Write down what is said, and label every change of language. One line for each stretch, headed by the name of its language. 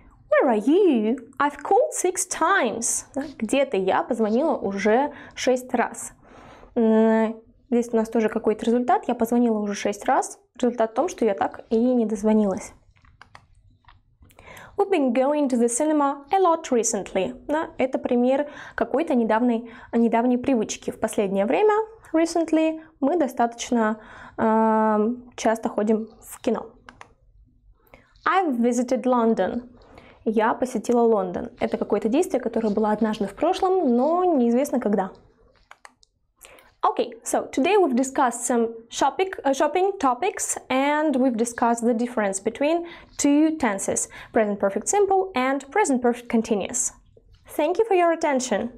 English: Where are you? I've called 6 times.
Russian: Где ты? Я позвонила уже 6 раз. Здесь у нас тоже какой-то результат. Я позвонила уже 6 раз. Результат в том, что я так и не дозвонилась.
English: We've been going to the cinema a lot recently.
Russian: Да, это пример какой-то недавней привычки. В последнее время, recently, мы достаточно часто ходим в кино.
English: I've visited London.
Russian: Я посетила Лондон. Это какое-то действие, которое было однажды в прошлом, но неизвестно когда.
English: Okay, so today we've discussed some shopping topics, and we've discussed the difference between 2 tenses, present perfect simple and present perfect continuous. Thank you for your attention.